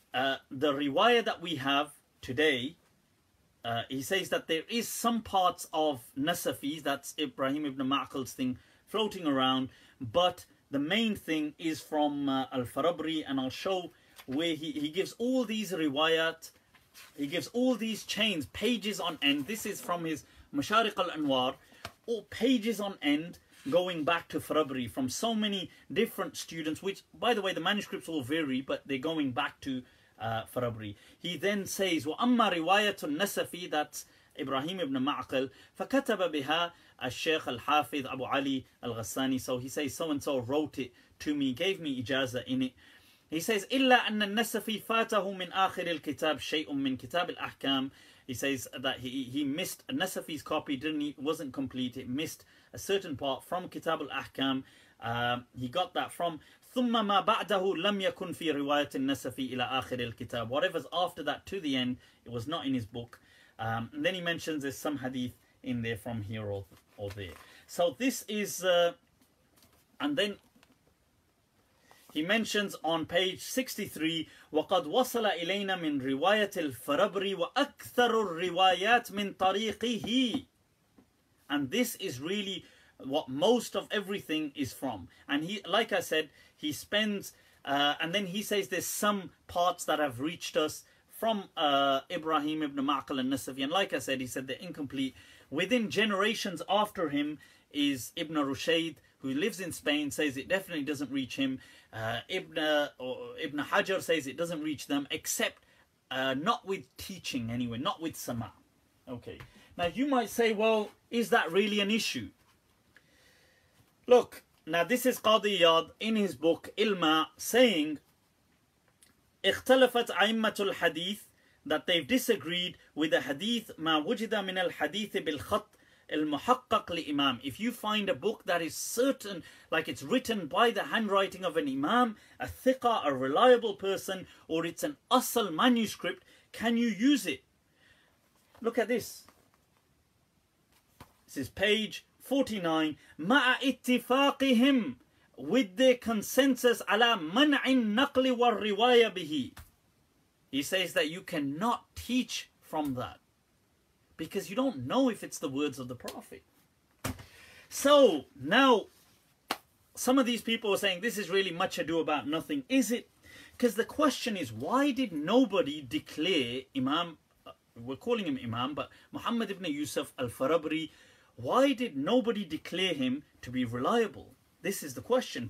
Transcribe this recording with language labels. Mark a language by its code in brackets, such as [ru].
[en] The riwayah that we have today, he says that there is some parts of Nasafis, that's Ibrahim ibn Ma'qil's thing, floating around, but the main thing is from Al-Farabri, and I'll show where he gives all these riwayat, he gives all these chains, pages on end. This is from his Masharik al-Anwar, all pages on end, going back to Farabri from so many different students, which, by the way, the manuscripts all vary, but they're going back to Farabri. He then says, [ar] وَأَمَّا رِوَايَةُ النَّسَفِ, [en] that's Ibrahim ibn Ma'qil, [ar] فَكَتَبَ بِهَا الشَّيْخ الْحَافِظ أَبُو عَلِي الْغَسَّانِي. [en] So he says, so-and-so wrote it to me, gave me ijazah in it. He says, [ar] إِلَّا أَنَّ النَّسَفِ فَاتَهُ مِنْ آخِرِ الْكِتَابِ شَيْءٌ مِنْ كِتَابِ الْأَحْكَامِ. [en] He says that he missed a Nasafi's copy, didn't he? Wasn't complete. It missed a certain part from Kitab al-Ahkam. He got that from [ar] ثُمَّ مَا بَعْدَهُ لَمْ يَكُنْ فِي رِوَايَةِ النَّسَفِ إِلَىٰ آخِرِ الْكِتَابِ. [en] Whatever's after that to the end, it was not in his book. And then he mentions there's some hadith in there from here or there. So this is... and then he mentions on page 63, [ar] وَقَدْ وَصَلَ إِلَيْنَا مِنْ رِوَايَةِ الْفَرَبْرِ وَأَكْثَرُ الرِّوَايَاتِ مِنْ طَرِيقِهِ. [en] And this is really what most of everything is from. And he, like I said, he spends, and then he says there's some parts that have reached us from Ibrahim ibn Ma'qil al-Nasafi. And like I said, he said they're incomplete. Within generations after him is Ibn Rushayd, who lives in Spain, says it definitely doesn't reach him. Ibn Hajar says it doesn't reach them, except not with teaching anyway, not with Sama. Okay, now you might say, well, is that really an issue? Look, now this is Qadi Iyad in his book Ilma saying, [ar] اختلفت عيمة الحديث, [en] that they've disagreed with the hadith, [ar] ما وجد من الحديث بالخط المحقق لإمام. [en] If you find a book that is certain, like it's written by the handwriting of an imam, a thiqa, a reliable person, or it's an asal manuscript, can you use it? Look at this. This is page 49. [ar] مع اتفاقهم, [en] with their consensus, [ar] على منع النقل والرواية به. [en] He says that you cannot teach from that, because you don't know if it's the words of the Prophet. So now, some of these people are saying, this is really much ado about nothing. Is it? Because the question is, why did nobody declare Imam, we're calling him Imam, but Muhammad ibn Yusuf al-Farabri, why did nobody declare him to be reliable? This is the question.